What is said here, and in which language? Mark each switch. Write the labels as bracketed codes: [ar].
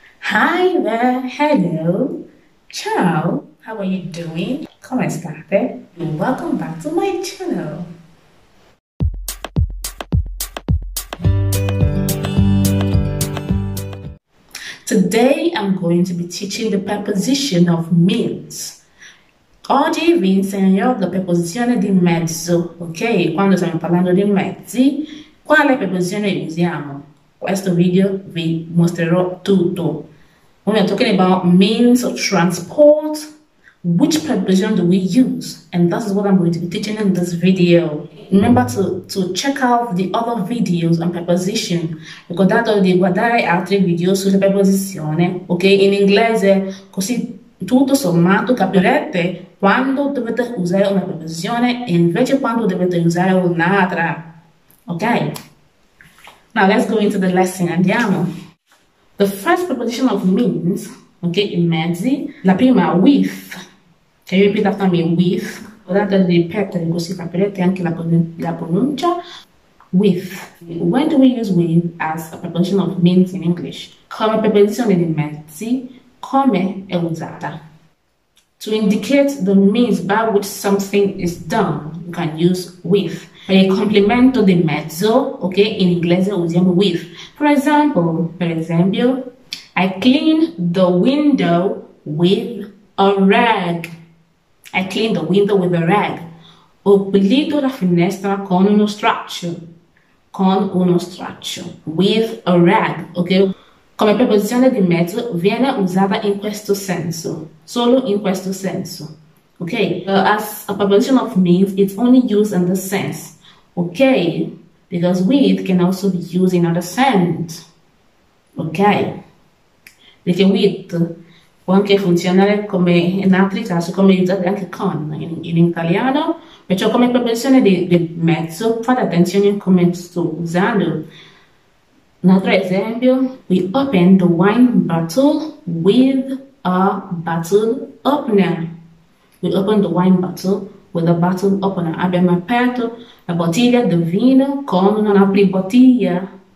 [en] Hi there, hello, ciao, how are you doing? [it] Come state? [en] Welcome back to my channel. Today I'm going to be teaching the preposition of means. [it] Oggi vi insegnerò la preposizione di mezzo, ok? Quando stiamo parlando di mezzi, quale preposizione usiamo? Questo video vi mostrerò tutto. [en] When we are talking about means of transport, which preposition do we use? And that is what I'm going to be teaching in this video. Remember to check out the other videos on preposition. [it] Ricordate di guardare altri video sulle preposizioni, ok? In inglese, così tutto sommato capirete quando dovete usare una preposizione e invece quando dovete usare un'altra, ok? [en] Now let's go into the lesson, [it] andiamo. [en] The first preposition of means, okay, [it] in mezzi, la prima [en] with. Can you repeat after me with? [it] Guardate di ripetere così capirete anche la pronuncia. [en] With. When do we use with as a preposition of means in English? [it] Come preposizione di mezzi, come è usata? [en] To indicate the means by which something is done, you can use with. [it] Per il complemento di mezzo, ok, in inglese usiamo with. Per esempio, [en] I clean the window with a rag. I clean the window with a rag. [it] Ho pulito la finestra con uno straccio. Con uno straccio. [en] With a rag, [it] ok? Come preposizione di mezzo viene usata in questo senso, solo in questo senso. Ok? [en] As a preposition of means, it's only used in this sense. Ok? Because with can also be used in other sense. [it] Ok? Perché with può anche funzionare come in altri casi, come usate anche con in italiano. Perciò come preposizione di mezzo, fate attenzione a come sto usando. Un altro esempio, [en] we open the wine bottle with a bottle opener. We open the wine bottle with a bottle opener. [it] Abbiamo aperto la bottiglia di vino con un'apribottiglia.